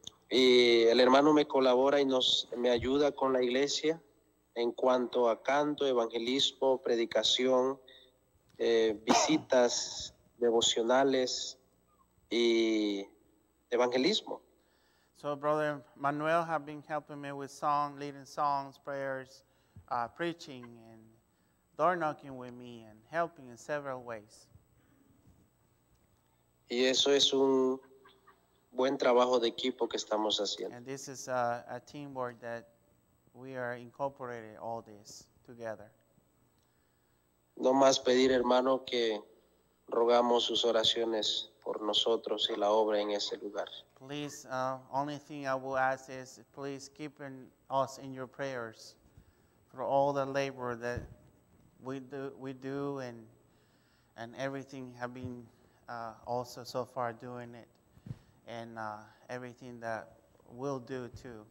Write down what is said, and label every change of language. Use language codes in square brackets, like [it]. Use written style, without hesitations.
[es] Y el hermano me colabora y me ayuda con la iglesia en cuanto a canto, evangelismo, predicación, visitas devocionales y evangelismo. [en] So brother Manuel have been helping me with song, leading songs, prayers, preaching and door knocking with me and helping in several ways. [es] Y eso es un buen trabajo de equipo que estamos haciendo. [en] And this is a teamwork that we are incorporating all this together. [es] No más pedir, hermano, que rogamos sus oraciones por nosotros y la obra en ese lugar. [en] Please, only thing I will ask is, please keep in us in your prayers for all the labor that we do and everything have been also so far doing it and everything that we'll do too.